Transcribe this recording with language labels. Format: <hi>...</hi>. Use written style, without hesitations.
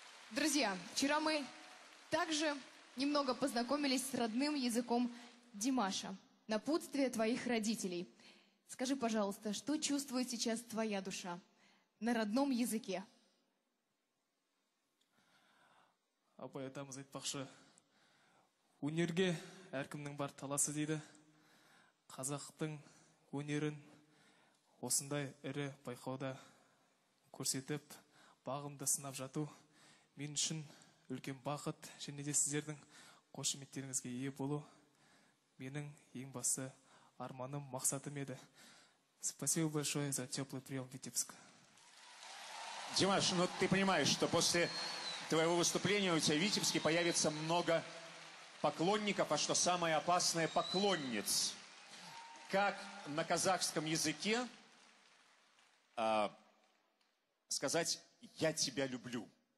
<ru>Друзья, вчера мы также немного познакомились с родным языком Димаша, напутствие твоих родителей. Скажи, пожалуйста, что чувствует сейчас твоя душа на родном языке?</ru> <kk>Апай, там зайтпақшы, унерге әркімнің бар таласы дейді. Қазақтың өнерін осындай ірі байқауда көрсетіп, бағымды сынап жату мен үшін үлкен бақыт, және де сіздердің қошеметтеріңізге ие болу менің ең басты арманым, мақсатым еді.</kk> <ru>Спасибо большое за теплый прием в Витебск. Димаш, ну ты понимаешь, что после твоего выступления у тебя в Витебске появится много поклонников, а что самое опасное – поклонниц. Как на казахском языке сказать «я тебя люблю»?</ru>